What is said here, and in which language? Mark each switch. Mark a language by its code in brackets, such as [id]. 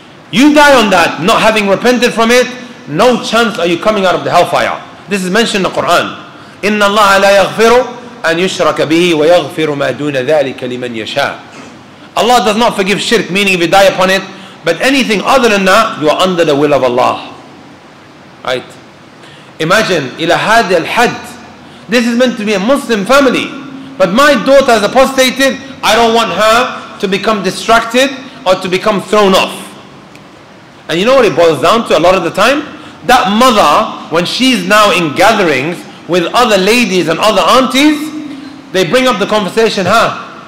[en] You die on that, not having repented from it, no chance are you coming out of the hellfire. This is mentioned in the Quran. [ar] إِنَّ اللَّهَ لَا يَغْفِرُ أَنْ يُشْرَكَ بِهِ وَيَغْفِرُ مَا دُونَ ذَلِكَ لِمَنْ يَشَاءُ. [en] Allah does not forgive shirk, meaning if you die upon it, but anything other than that, you are under the will of Allah. Right? Imagine, [ar] إِلَى هَذِي الْحَدْ. [en] This is meant to be a Muslim family. But my daughter has apostated, I don't want her to become distracted or to become thrown off. And you know what it boils down to a lot of the time? That mother, when she's now in gatherings with other ladies and other aunties, they bring up the conversation, huh?